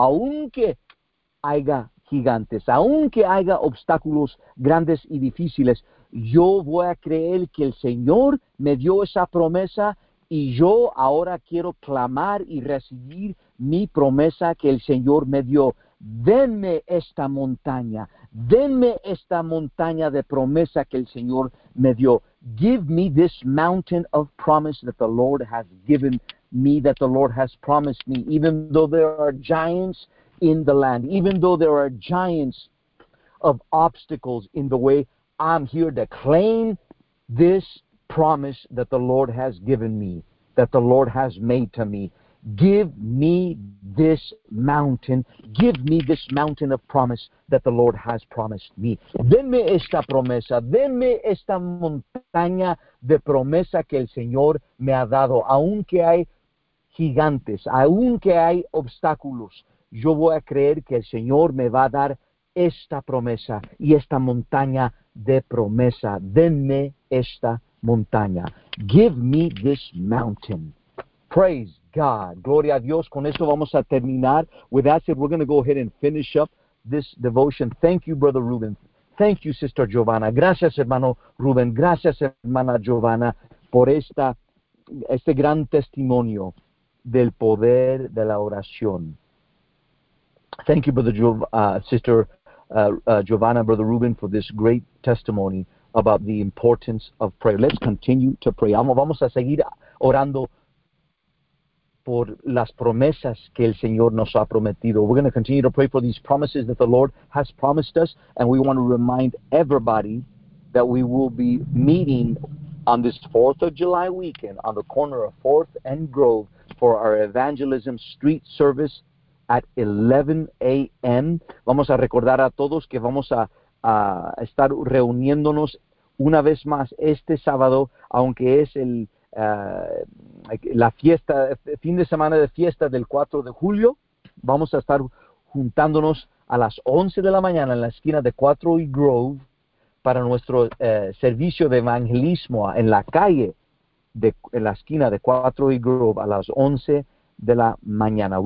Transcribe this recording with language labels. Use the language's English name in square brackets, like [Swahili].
[Spanish] Aunque haya gigantes, aunque haya obstáculos grandes y difíciles, yo voy a creer que el Señor me dio esa promesa y yo ahora quiero clamar y recibir mi promesa que el Señor me dio. Denme esta montaña. Denme esta montaña de promesa que el Señor me dio. [English] Give me this mountain of promise that the Lord has given me, that the Lord has promised me. Even though there are giants in the land, even though there are giants of obstacles in the way, I'm here to claim this promise that the Lord has given me, that the Lord has made to me. Give me this mountain. Give me this mountain of promise that the Lord has promised me. [Spanish] Denme esta promesa. Denme esta montaña de promesa que el Señor me ha dado. Aunque hay gigantes, aunque hay obstáculos, yo voy a creer que el Señor me va a dar esta promesa y esta montaña de promesa. Denme esta montaña. [English] Give me this mountain. Praise God. [Spanish] Gloria a Dios. Con esto vamos a terminar. [English] With that said, we're going to go ahead and finish up this devotion. Thank you, Brother Ruben. Thank you, Sister Giovanna. [Spanish] Gracias, hermano Ruben. Gracias, hermana Giovanna, por este gran testimonio del poder de la oración. [English] Thank you, Brother Sister Giovanna, Brother Ruben, for this great testimony about the importance of prayer. Let's continue to pray. [Spanish] Vamos a seguir orando por las promesas que el Señor nos ha prometido. [English] We're going to continue to pray for these promises that the Lord has promised us, and we want to remind everybody that we will be meeting on this 4th of July weekend on the corner of 4th and Grove for our evangelism street service at 11 a.m. [Spanish] Vamos a recordar a todos que vamos a estar reuniéndonos una vez más este sábado, aunque es el la fiesta, fin de semana de fiesta del 4 de julio. Vamos a estar juntándonos a las 11 de la mañana en la esquina de 4 y Grove para nuestro servicio de evangelismo en la calle, en la esquina de 4 y Grove a las 11 de la mañana.